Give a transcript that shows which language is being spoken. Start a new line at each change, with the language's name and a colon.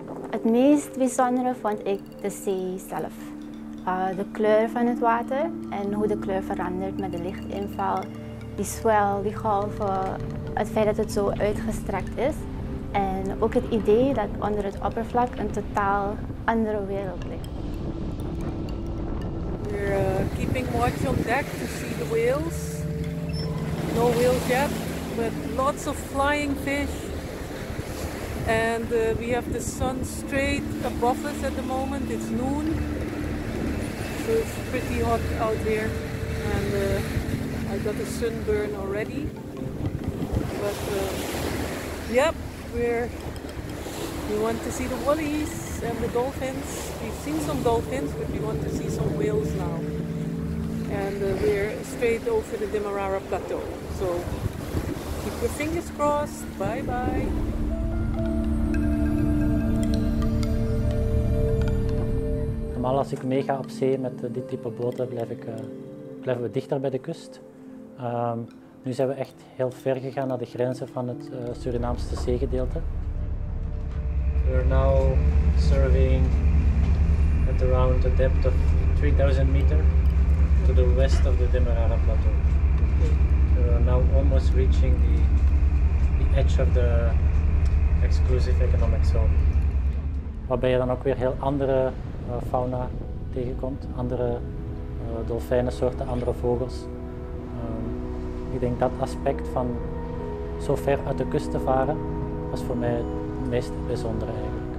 Dutch: Het meest bijzondere vond ik de zee zelf. De kleur van het water en hoe de kleur verandert met de lichtinval, die swell, die golven, het feit dat het zo uitgestrekt is en ook het idee dat onder het oppervlak een totaal andere wereld ligt.
English: We're keeping watch on deck to see the whales. No whales yet, but lots of flying fish. And we have the sun straight above us at the moment. It's noon, so it's pretty hot out here. And I got a sunburn already. But yep, we want to see the wallabies and the dolphins. We've seen some dolphins, but we want to see some whales now. And we're straight over the Demerara Plateau. So keep your fingers crossed. Bye bye.
Dutch: Normaal als ik meega op zee met dit type boten, blijven we dichter bij de kust. Nu zijn we echt heel ver gegaan naar de grenzen van het Surinaamse zeegedeelte.
English: We are now surveying at around a depth of 3000 meter to the west of the Demerara Plateau. We are now almost reaching the edge of the exclusive economic zone.
Dutch: Waarbij je dan ook weer heel andere fauna tegenkomt, andere dolfijnensoorten, andere vogels. Ik denk dat aspect van zo ver uit de kust te varen, was voor mij het meest bijzondere eigenlijk.